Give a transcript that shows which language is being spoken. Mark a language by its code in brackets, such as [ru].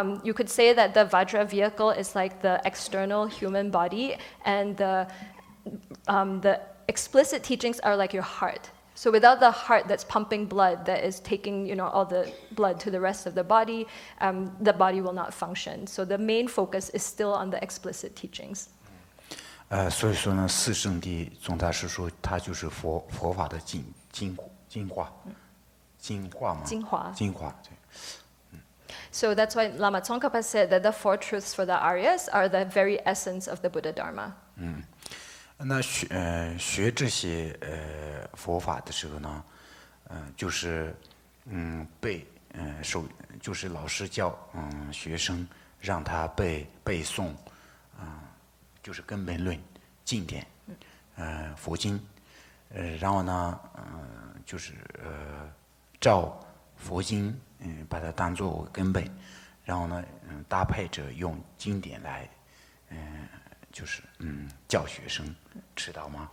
[en] You could say that the Vajra vehicle is like the external human body, and the explicit teachings are like your heart. So without the heart that's pumping blood, that is taking, you know, all the blood to the rest of the body will not function. So the main focus is still on the explicit teachings. [zh] 所以说呢，四圣地总大师说，它就是佛法的精华。对。 [en] So that's why Lama Tsongkhapa said that the four truths for the Aryas are the very essence of the Buddha Dharma. [zh] 那学这些佛法的时候呢，就是背手，就是老师教学生让他背诵，就是根本论。经典，佛经，然后呢，就是照佛经，把它当作根本，然后呢，搭配着用经典来，就是教学生知道吗？